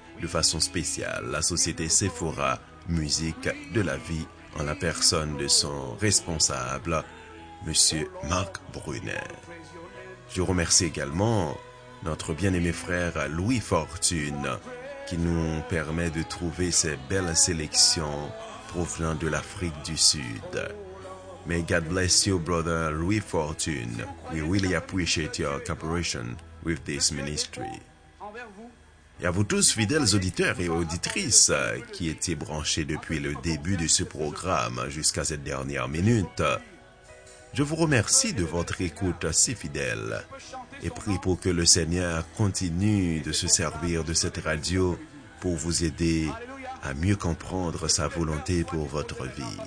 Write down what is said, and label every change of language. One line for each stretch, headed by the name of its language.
French: De façon spéciale, la société Sephora Musique de la Vie en la personne de son responsable, Monsieur Marc Brunet. Je remercie également notre bien-aimé frère Louis Fortune, qui nous permet de trouver ces belles sélections provenant de l'Afrique du Sud.
English: May God bless you, brother Louis Fortune. We really appreciate your cooperation with this ministry.
French: Et à vous tous, fidèles auditeurs et auditrices, qui étiez branchés depuis le début de ce programme jusqu'à cette dernière minute, je vous remercie de votre écoute si fidèle et prie pour que le Seigneur continue de se servir de cette radio pour vous aider à mieux comprendre sa volonté pour votre vie.